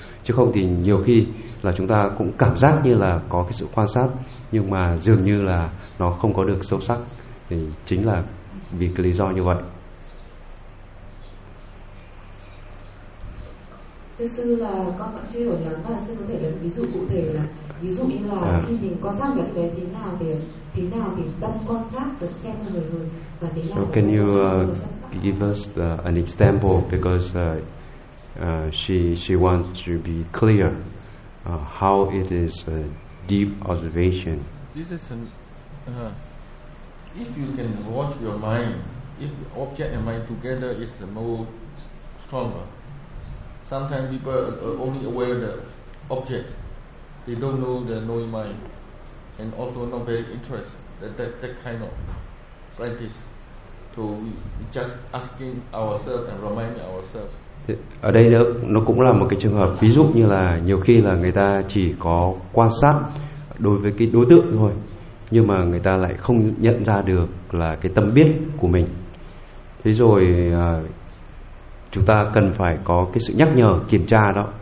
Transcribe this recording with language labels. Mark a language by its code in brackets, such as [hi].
[vi] Chứ không thì nhiều khi là chúng ta cũng cảm giác như là có cái sự quan sát nhưng mà dường như là nó không có được sâu sắc, thì chính là vì cái lý do như vậy. Thưa sư, là con vẫn chưa hiểu lắm, và sư có thể lấy ví dụ cụ thể là ví dụ như là khi mình quan sát được cái thế nào thì tâm quan sát được xem là người hơn, và thế nào. [en] So can you give us an example, because she wants to be clear how it is a deep observation. This is if you can watch your mind, if object and mind together is more stronger. Sometimes people are only aware of the object. They don't know the knowing mind, and also not very interested. That kind of practice. So we just asking ourselves and reminding ourselves. [vi] Ở đây nó cũng là một cái trường hợp ví dụ, như là nhiều khi là người ta chỉ có quan sát đối với cái đối tượng thôi, nhưng mà người ta lại không nhận ra được là cái tâm biết của mình. Thế rồi chúng ta cần phải có cái sự nhắc nhở, kiểm tra đó.